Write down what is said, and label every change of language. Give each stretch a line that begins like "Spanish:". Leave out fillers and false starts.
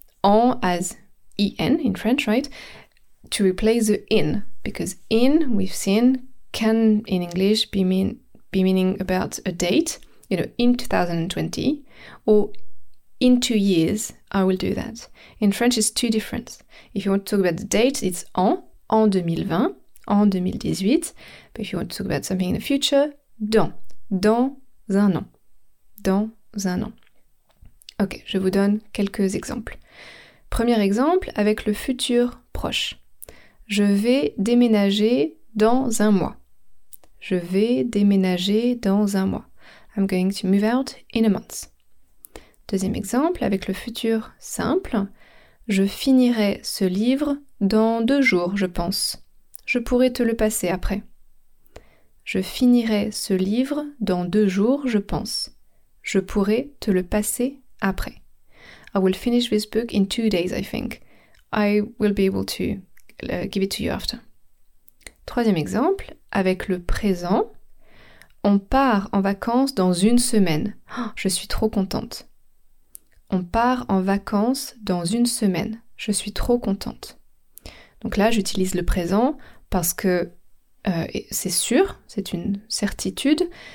English: En as en in French, right? To replace the in. Because in, we've seen, can in English be meaning about a date. You know, in 2020. Or in 2 years, I will do that. In French, it's two different. If you want to talk about the date, it's en.
French: En 2020, en 2018,
English: but if you want to talk about something in the future,
French: dans un an, dans un an. Ok, je vous donne quelques exemples. Premier exemple avec le futur proche. Je vais déménager dans un mois. Je vais déménager dans un mois.
English: I'm going to move out in a month.
French: Deuxième exemple avec le futur simple. Je finirai ce livre dans 2 jours, je pense. Je pourrai te le passer après. Je finirai ce livre dans 2 jours, je pense. Je pourrai te le passer après.
English: I will finish this book in 2 days, I think. I will be able to give it to you after.
French: Troisième exemple, avec le présent. On part en vacances dans 1 semaine. Oh, je suis trop contente. On part en vacances dans 1 semaine. Je suis trop contente. Donc là, j'utilise le présent parce que c'est sûr, c'est une certitude.